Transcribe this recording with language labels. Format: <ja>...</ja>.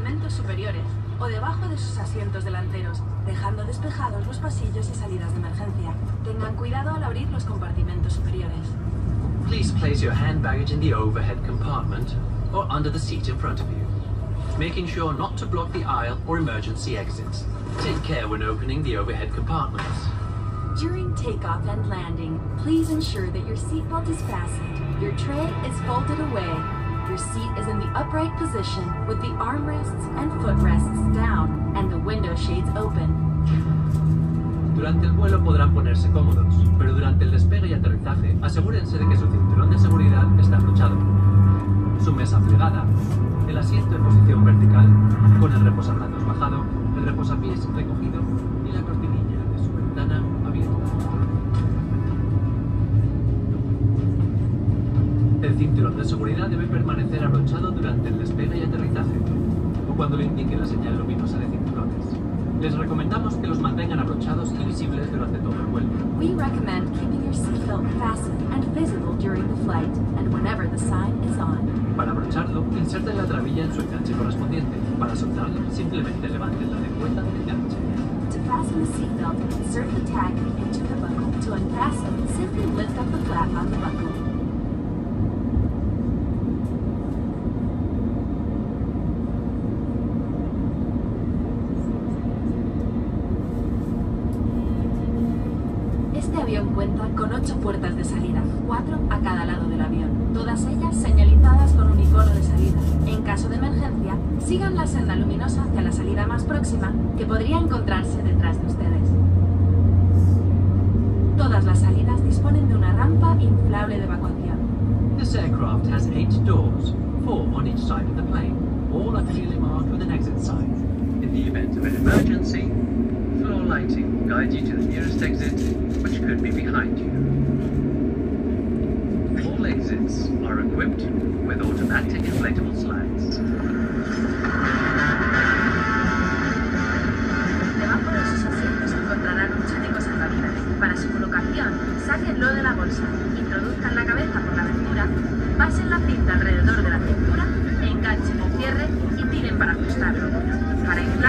<es>Superiores o debajo de sus asientos delanteros, dejando despejados los pasillos y salidas de emergencia. Tengan cuidado al abrir los compartimentos superiores.</es> <en>Please place your hand baggage in the overhead compartment or under the seat in front of you, making sure not to block the aisle or emergency exits. Take care when opening the overhead compartments. During takeoff and landing, please ensure that your seatbelt is fastened, your tray is folded away. Your seat is in the upright position with the armrests and footrests down and the window shades open.</en> <es>Durante el vuelo podrán ponerse cómodos, pero durante el despegue y aterrizaje asegúrense de que su cinturón de seguridad está abrochado, su mesa plegada, el asiento en posición vertical, con el reposabrazos bajado, el reposapiés recogido y la cortinilla de su ventana abierta. El cinturón de seguridad debe permanecer abrochado durante el despegue y aterrizaje, o cuando le indique la señal luminosa de cinturones. Les recomendamos que los mantengan abrochados y visibles durante todo el vuelo.</es> <en>We recommend keeping your seatbelt fastened and visible during the flight and whenever the sign is on.</en> <es>Para abrocharlo, inserten la trabilla en su enganche correspondiente. Para soltarlo, simplemente levanten la lengüeta del enganche.</es> <en>To fasten the seatbelt, insert the tag into the buckle. To unfasten, simply lift up the flap on the buckle.</en> <es>Cuenta con 8 puertas de salida, 4 a cada lado del avión, todas ellas señalizadas con un icono de salida. En caso de emergencia, sigan la senda luminosa hacia la salida más próxima, que podría encontrarse detrás de ustedes. Todas las salidas disponen de una rampa inflable de evacuación.</es> <en>This aircraft has 8 doors, 4 on each side of the plane. All are clearly marked with an exit sign. In the event of an emergency, floor lighting guides you to the nearest exit, which could be behind you. All exits are equipped with automatic inflatable slides.</en> <es>Debajo de sus asientos encontrarán un chaleco salvavidas. Para su colocación, sáquenlo de la bolsa, introduzcan la cabeza por la abertura, pasen la cinta alrededor de la cintura, enganchen el cierre y tiren para ajustarlo. Para</es>